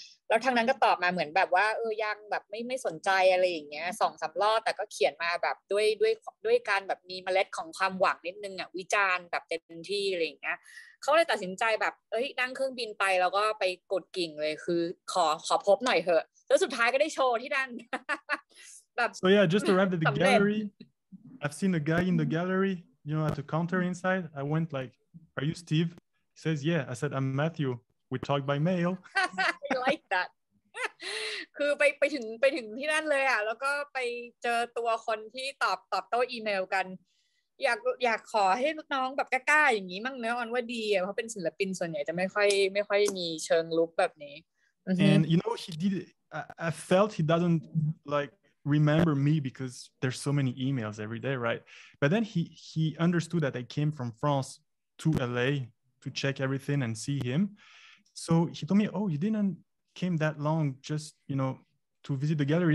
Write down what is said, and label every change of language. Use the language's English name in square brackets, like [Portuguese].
[Thai] แล้วทางนั้นก็ตอบมาเหมือนแบบว่าเออยังแบบไม่สนใจอะไรอย่างเงี้ยสองสามรอบแต่ก็เขียนมาแบบด้วยการแบบมีเมล็ดของความหวังนิดนึงอ่ะวิจารณ์แบบเต็มที่อะไรอย่างเงี้ยเขาเลยตัดสินใจแบบเอ้ยนั่งเครื่องบินไปแล้วก็ไปกดกิ่งเลยคือขอพบหน่อยเถอะแล้วสุดท้ายก็ได้โชว์ที่นั่นแบบ [English] so yeah just arrived at the gallery I've seen a guy in the gallery you know at the counter inside I went like are you Steve he says yeah I said I'm Matthew we talked by mail I like that [Thai] คือไปถึงที่นั่นเลยอ่ะแล้วก็ไปเจอตัวคนที่ตอบโต้อีเมลกันอยากขอให้น้องแบบกล้าๆอย่างนี้มั่งเนื้อออนว่าดีเพราะเป็นศิลปินส่วนใหญ่จะไม่ค่อยมีเชิงลุกแบบนี้ [English] and you know he did I felt he doesn't like remember me because there's so many emails every day right but then he understood that I came from France to LA to check everything and see him. So he told me, oh, you didn't came that long just, you know, to visit the gallery.